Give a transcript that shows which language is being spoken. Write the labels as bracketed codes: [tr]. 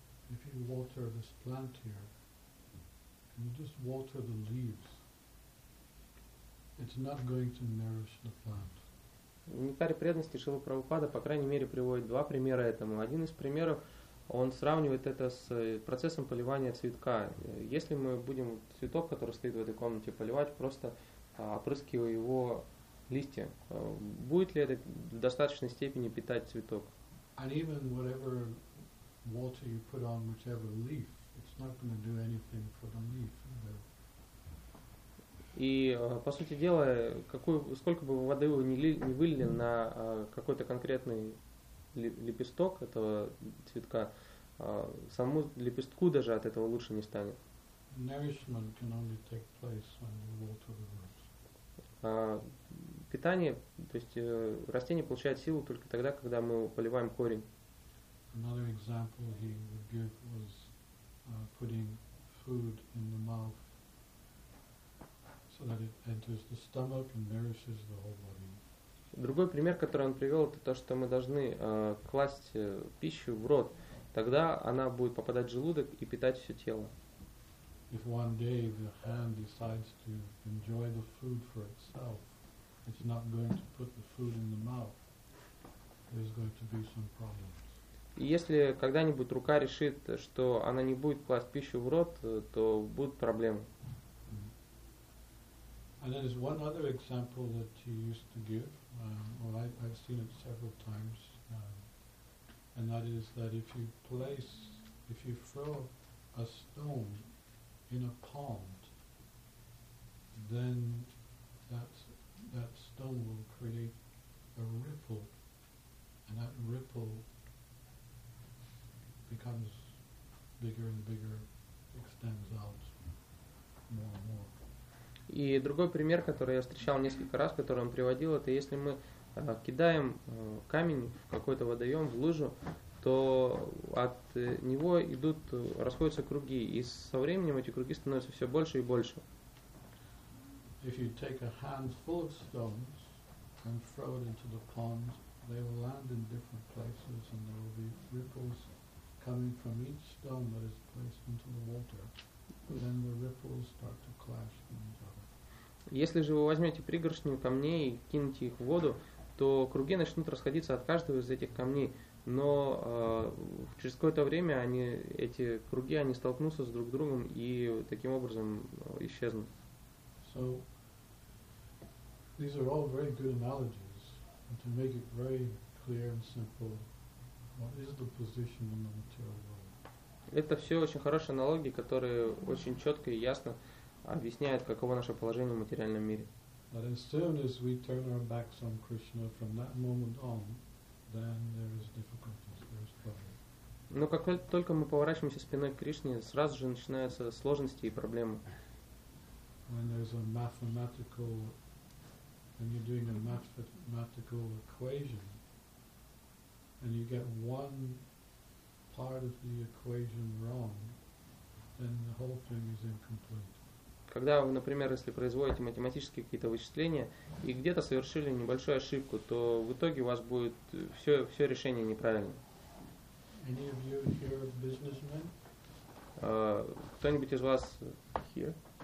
[en] If you water this plant here, you just water the leaves, it's not going to nourish the plant. [ru] В Нектаре преданности Шрилы Прабхупада, по крайней мере, приводит два примера этому. Один из примеров, он сравнивает это с процессом поливания цветка. Если мы будем цветок, который стоит в этой комнате, поливать, просто опрыскивая его листья, будет ли это в достаточной степени питать цветок? [en] And even whatever water you put on whichever leaf, it's not going to do anything for the leaf. [ru] И по сути дела, сколько бы воды вы не вылили на какой-то конкретный лепесток этого цветка, самому лепестку даже от этого лучше не станет. [en] Nourishment can only take place when you water the roots. [ru] Питание, то есть растение получает силу только тогда, когда мы поливаем корень. [en] Another example he would give was putting food in the mouth so that it enters the stomach and nourishes the whole body. [ru] Другой пример, который он привел, это то, что мы должны класть пищу в рот, тогда она будет попадать в желудок и питать все тело. [en] If one day the hand decides to enjoy the food for itself, it's not going to put the food in the mouth. There's going to be some problem. [ru] И если когда-нибудь рука решит, что она не будет класть пищу в рот, то будут проблемы. [en] And there's one other example that he used to give, I've seen it several times, and that is that if you throw a stone in a pond, then that stone will create a ripple, and that ripple becomes bigger and bigger, extends out more and more. [ru] И другой пример, который я встречал несколько раз, который он приводил, это если мы кидаем камень в какой-то водоем, в лужу, то от него расходятся круги, и со временем эти круги становятся все больше и больше. [en] If you take a handful of stones and throw it into the pond, they will land in different places and there will be ripples coming from each stone that is placed into the water, then the ripples start to clash with each other. [ru] Если же вы возьмете пригоршню камней и кинете их в воду, то круги начнут расходиться от каждого из этих камней, но через какое-то время эти круги столкнутся с друг другом и таким образом исчезнут. [en] So, these are all very good analogies, and to make it very clear and simple, what is the position in the material world? [ru] Это все очень хорошие аналогии, которые очень четко и ясно объясняет, каково наше положение в материальном мире. [en] But as soon as we turn our backs on Krishna from that moment on, then there is difficulties, there is trouble. [ru] Но как только мы поворачиваемся спиной к Кришне, сразу же начинаются сложности и проблемы. [en] When there's a mathematical, when you're doing a mathematical equation, and you get one part of the equation wrong, then the whole thing is incomplete. [ru] Когда вы, например, если производите математические какие-то вычисления и где-то совершили небольшую ошибку, то в итоге у вас будет все решение неправильно. [en] Any of you here businessmen? [ru] Кто-нибудь из вас [en] here?